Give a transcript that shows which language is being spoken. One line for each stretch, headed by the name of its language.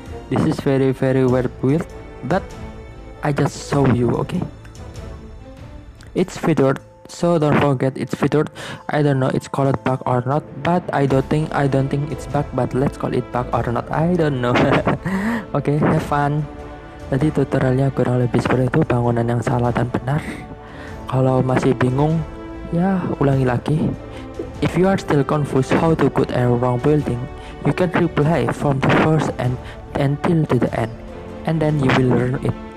English: This is very very weird build, but I just show you, okay? It's featured, so don't forget it's featured. I don't know it's called bug or not, but I don't think it's bug, but let's call it bug or not, I don't know. Okay, have fun.
Indonesian: Jadi tutorialnya kurang lebih seperti itu, bangunan yang salah dan benar. Kalau masih bingung, ya ulangi lagi.
English: If you are still confused how to good and wrong building, you can replay from the first and until to the end, and then you will learn it.